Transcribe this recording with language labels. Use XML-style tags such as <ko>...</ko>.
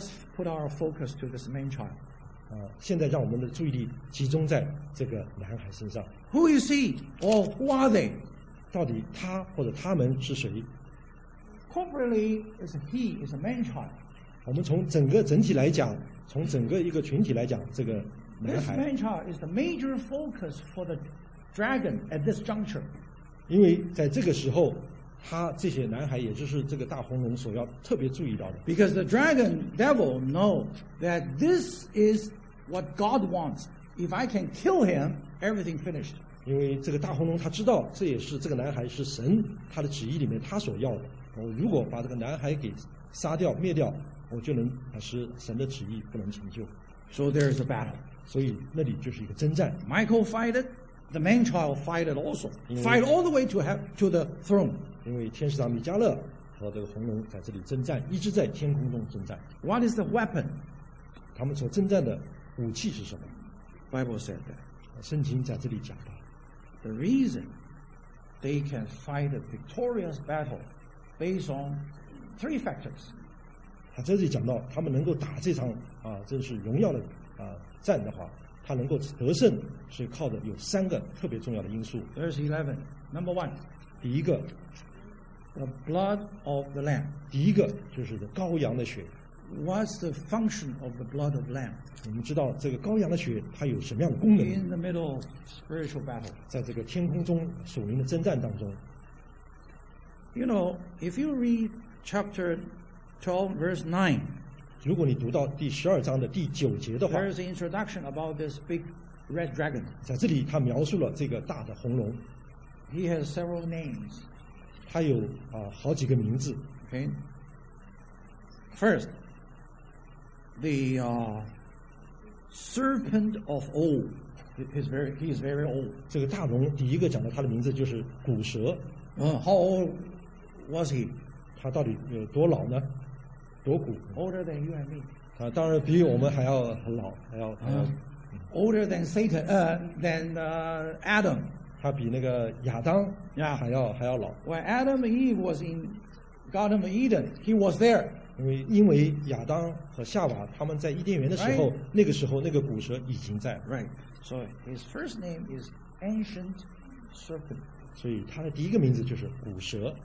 <en>Let's put our focus to this man child.</en> <zh>现在让我们的注意力集中在这个男孩身上。</zh> <en>Who is he? Or who are they?</en> <zh>到底他或者他们是谁</zh> <en>？Corporately, is he is a man child.</en> <zh>我们从整个整体来讲，从整个一个群体来讲，这个男孩。</zh> <en>This man child is the major focus for the dragon at this juncture.</en> <zh>因为在这个时候，他这些男孩，也就是这个大红龙所要特别注意到的。</zh> <en>Because the dragon devil know that this is what God wants. If I can kill him, everything finished.</en> <zh>因为这个大红龙他知道，这也是这个男孩是神他的旨意里面他所要的。我如果把这个男孩给杀掉灭掉，我就能使神的旨意不能成就。</zh> <en>So there is a battle.</en> <zh>所以那里就是一个征战。</zh> <en>Michael fight it, the man child fight it also. Fight all the way to the throne.</en> <zh>因为天使长米迦勒和这个红龙在这里征战，一直在天空中征战。</zh> <en>What is the weapon?</en> <zh>他们所征战的武器是什么</zh> <en>？Bible said that.</en> <zh>圣经在这里讲到。</zh> <en>The reason they can fight a victorious battle based on three factors.</en> <zh>他在这里讲到他们能够打这场啊真是荣耀的啊战的话，他能够得胜是靠的有三个特别重要的因素。</zh> <en>Verse 11, number one,</en> <zh>第一个</zh> <en>the blood of the lamb.</en> <zh>第一个就是羔羊的血。</zh> <en>What's the function of the blood of lamb?</en> <zh>我们知道这个羔羊的血它有什么样的功能</zh> <en>？In the middle of spiritual battle,</en> <zh>在这个天空中属灵的征战当中。</zh> <en>You know, if you read chapter 12, verse 9,</en> <zh>如果你读到第十二章的第九节的话</zh> <en>，there is an introduction about this big red dragon.</en> <zh>在这里，他描述了这个大的红龙。</zh> <en>He has several names.</en> <zh>他有啊好几个名字。</zh> <en>Okay. First. The serpent of old. He is very old.</en> <zh>这个大龙第一个讲到他的名字就是古蛇。</zh> <en>How old was he?</en> <zh>他到底有多老呢？多古</zh> <en>？Older than you and me.</en> <zh>他当然比我们还要很老，还要他。</zh> <en>Older than Satan, than Adam.</en> <zh>他比那个亚当还要、</zh> <en>yeah.</en> <zh>还要老。</zh> <en>When Adam and Eve was in Garden of Eden, he was there.</en> <zh>因为亚当和夏娃他们在伊甸园的时候、</zh> <en>right.</en> <zh>那个时候那个古蛇已经在</zh> <en>right so his first name is ancient serpent</en> <zh>所以他的第一个名字就是古蛇</zh>